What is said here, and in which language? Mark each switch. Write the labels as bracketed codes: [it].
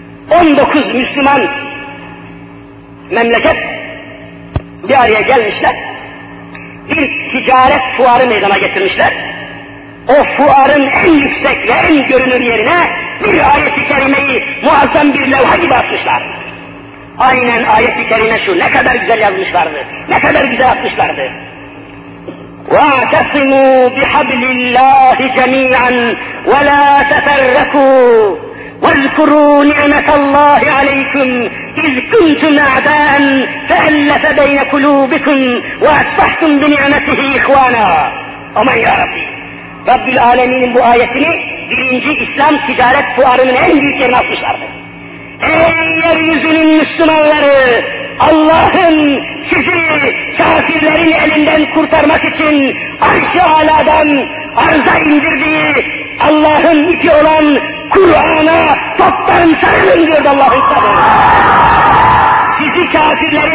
[tr] 19 Müslüman memleket bir araya gelmişler, bir ticaret fuarı meydana getirmişler. O fuarın en yüksek ve en görünür yerine bir ayet-i kerimeyi muazzam bir levha gibi asmışlar. Aynen ayet-i kerime şu, ne kadar güzel yazmışlardı, ne kadar güzel atmışlardı. [ar] وَاَتَصِمُوا بِحَبْلِ اللّٰهِ جَمِيعًا وَلَا تَفَرَّكُوا واذكروا نعمة الله عليكم إذ كنتم أعداء فألف بين قلوبكم وأصبحتم بنعمته إخوانا. [tr] Aman ya Rabbi! Rabbül Alemin'in bu ayetini birinci İslam ticaret fuarının en büyük yerine atmışlardı. Ey yeryüzünün Müslümanları! Allah'ın sizi kafirlerin elinden kurtarmak için arş-ı aladan arza indirdiği Allah'ın ipi olan Kur'an'a toptan sarılın diyordu Allah'ın kitabı. Sizi kafirlerin